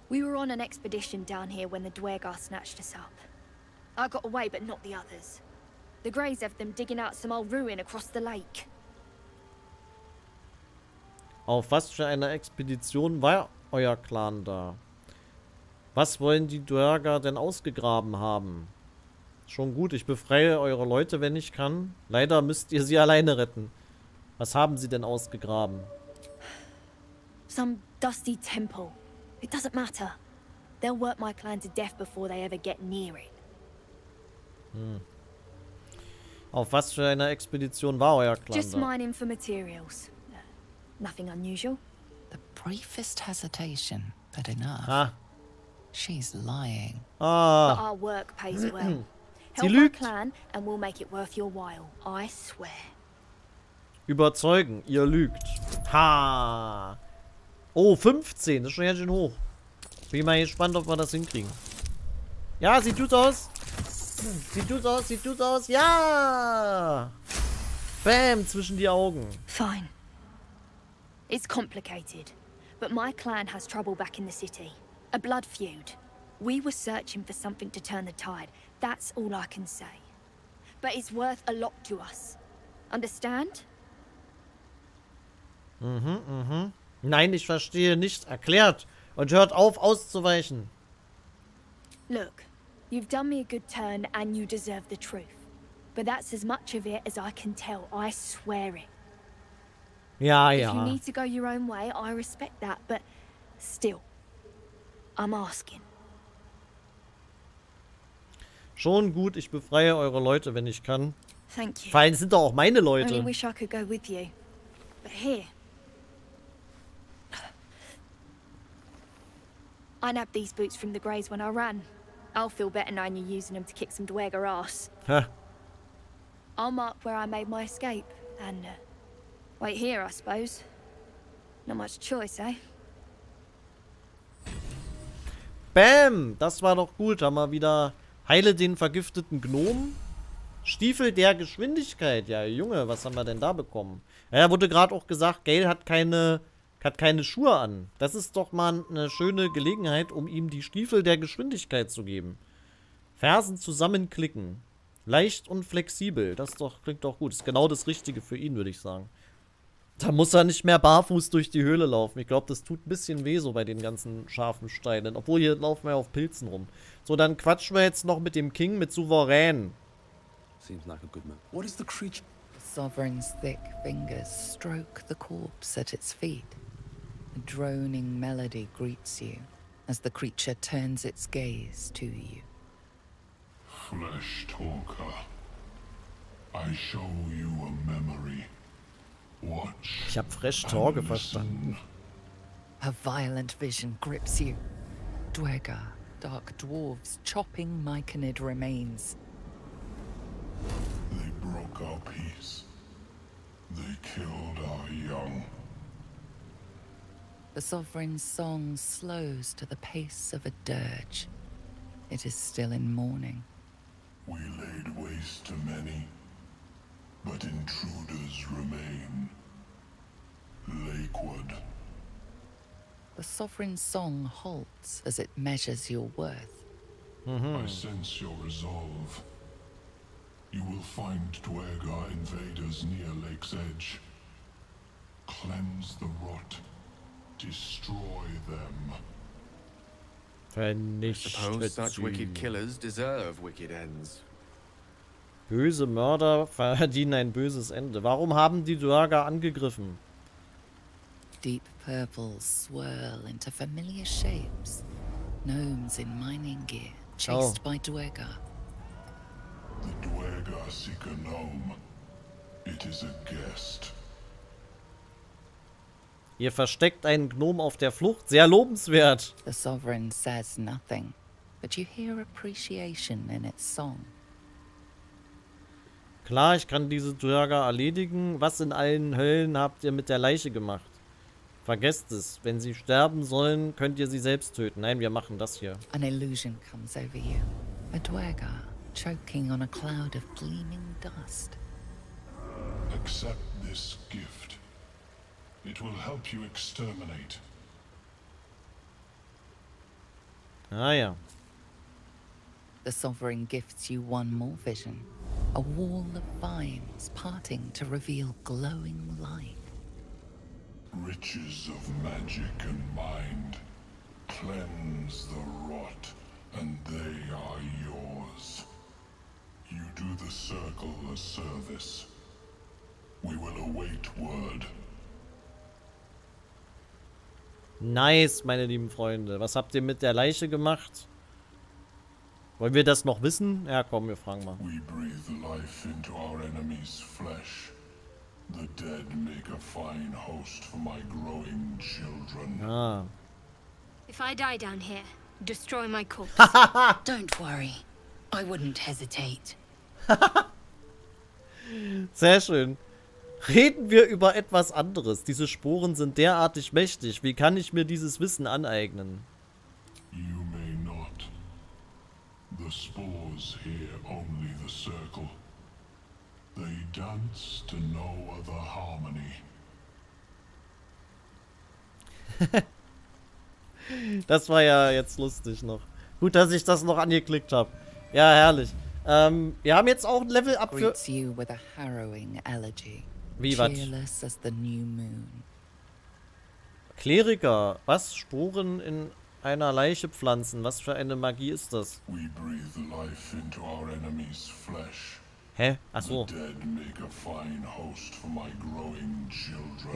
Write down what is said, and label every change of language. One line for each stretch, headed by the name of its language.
English: We were on an expedition down here when the Dwergar snatched us up. I got away, but not the others. The Greys have them digging out some old ruin across the lake.
German: Auf was für einer Expedition war euer Clan da? Was wollen die Dwerger denn ausgegraben haben? Schon gut, ich befreie eure Leute, wenn ich kann. Leider müsst ihr sie alleine retten. Was haben sie denn ausgegraben?
English: Some dusty temple. It doesn't matter. They'll work my clan to death before they ever get near it.
German: Auf was für einer Expedition war euer Clan?
English: Just mining for materials. Nothing unusual. The briefest hesitation, but enough. Ah. She's lying. Ah. But our work pays well. Help our clan and we'll make it worth your while. I swear.
German: Überzeugen, ihr lügt. Ha. Oh, 15. Das ist schon ganz schön hoch. Bin mal gespannt, ob wir das hinkriegen. Ja, sieht gut aus. Sieht gut aus. Ja! Bam, zwischen die Augen.
English: Fine. It's complicated. But my clan has trouble back in the city. A blood feud. We were searching for something to turn the tide. That's all I can say. But it's worth a lot to us. Understand? Mhm.
German: Nein, ich verstehe nicht. Erklärt. Und hört auf, auszuweichen.
English: Look. You've done me a good turn and you deserve the truth. But that's as much of it as I can tell. I swear it.
German: Ja, ja.
English: If you need to go your own way, I respect that, but still, I'm asking.
German: Schon gut, ich befreie eure Leute, wenn ich kann.
English: Thank you.
German: Vor allem sind doch auch meine Leute.
English: Only wish I could go with you. But here. I nabbed these boots from the Greys when I ran. I'll feel better knowing you're using them to kick some Dwerger ass. Huh. I'll mark where I made my escape and wait here, I suppose. Not much choice, eh?
German: Bam! Das war doch gut. Haben wir wieder heile den vergifteten Gnomen. Stiefel der Geschwindigkeit. Ja, Junge, was haben wir denn da bekommen? Ja, da wurde gerade auch gesagt, Gale hat keine Schuhe an. Das ist doch mal eine schöne Gelegenheit, um ihm die Stiefel der Geschwindigkeit zu geben. Fersen zusammenklicken. Leicht und flexibel. Das klingt doch gut. Das ist genau das Richtige für ihn, würde ich sagen. Da muss er nicht mehr barfuß durch die Höhle laufen. Ich glaube, das tut ein bisschen weh so bei den ganzen scharfen Steinen. Obwohl, hier laufen wir auf Pilzen rum. So, dann quatschen wir jetzt noch mit dem King, mit Souverän.
English: Seems like a good man. What is the creature? The Sovereign's thick fingers stroke the corpse at its feet. A droning melody greets you, as the creature turns its gaze to you. Flesh talker. I show you a memory.
German: Ich hab
English: Fresh Torge
German: verstanden.
English: A violent vision grips you. Dwegar, dark dwarves chopping Myconid remains. They broke our peace. They killed our young. The Sovereign's song slows to the pace of a dirge. It is still in mourning. We laid waste to many, but intruders remain. Lakewood. The Sovereign's song halts as it measures your worth. Mm-hmm. I sense your resolve. You will find Dwegar invaders near Lake's Edge. Cleanse the rot. Destroy them.
German: Vernichtet.
English: I suppose such wicked killers deserve wicked ends.
German: Böse Mörder verdienen ein böses Ende. Warum haben die Dwegar angegriffen?
English: Deep purples swirl into familiar shapes. Gnomes in mining gear, chased by Dwegar. The Dwegar seek a gnome. It is a guest.
German: Ihr versteckt einen Gnom auf der Flucht. Sehr lobenswert.
English: The Sovereign says nothing, but you hear appreciation in its song.
German: Klar, ich kann diese Dwegar erledigen. Was in allen Höllen habt ihr mit der Leiche gemacht? Vergesst es. Wenn sie sterben sollen, könnt ihr sie selbst töten. Nein, wir machen das hier.
English: An illusion comes over you. A Dwegar, choking on a cloud of gleaming dust. Accept this gift. It will help you exterminate.
German: Ah ja.
English: The Sovereign gifts you one more vision. A wall of vines parting to reveal glowing light. Riches of magic and mind. Cleanse the rot, and they are yours. You do the circle a service. We will await word.
German: Nice, meine lieben Freunde. Was habt ihr mit der Leiche gemacht? Wollen wir das noch wissen? Ja, komm, wir fragen mal.
English: We breathe life into our enemy's flesh. The dead make a fine host for my growing children. Ah. If I die down here, destroy my corpse. Don't worry. I wouldn't hesitate.
German: Sehr schön. Reden wir über etwas anderes. Diese Sporen sind derartig mächtig. Wie kann ich mir dieses Wissen aneignen?
English: You may not. The spores hear only the circle. They dance to no other harmony.
German: Das war ja jetzt lustig noch. Gut, dass ich das noch angeklickt habe. Ja, herrlich. Wir haben jetzt auch ein Level up für...
English: Greets you with a harrowing elegy.
German: Wie, was?
English: Cheerless as the new moon.
German: Kleriker, was? Sporen in einer Leiche pflanzen? Was für eine Magie ist das?
English: We breathe life into our enemy's flesh.
German: Hä? Achso.
English: The dead make a fine host for my growing children.